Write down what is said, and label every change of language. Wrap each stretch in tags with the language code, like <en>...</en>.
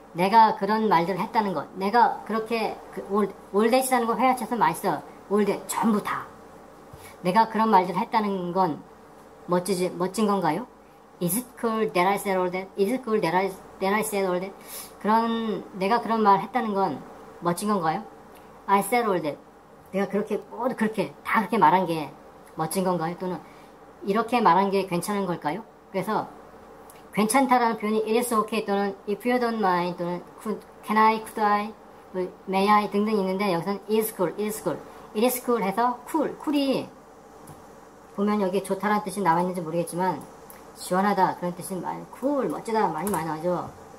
<ko>내가 그런 말들을 했다는 것. 내가 그렇게 그 all that이라는 거 회화쳐서 많이 써. All that 전부 다. 내가 그런 말들을 했다는 건 멋지지 멋진 건가요?</ko> <en>Is it cool that I said all that? Is it cool that I said all that?</en> <ko>그런 내가 그런 말 했다는 건 멋진 건가요?</ko> <en>I said all that.</en> <ko>내가 그렇게 모두 그렇게 다 그렇게 말한 게 멋진 건가요? 또는 이렇게 말한 게 괜찮은 걸까요? 그래서 괜찮다라는 표현이 It is okay 또는</ko> <en>If you don't mind</en> <ko>또는 Can I, could I, may I 등등 있는데 여기서는 is cool, is cool, it is cool 해서 cool, cool이 보면 여기 좋다라는 뜻이 나와 있는지 모르겠지만 시원하다 그런 뜻이 많이 cool, 멋지다 많이 많이 나와죠.</ko>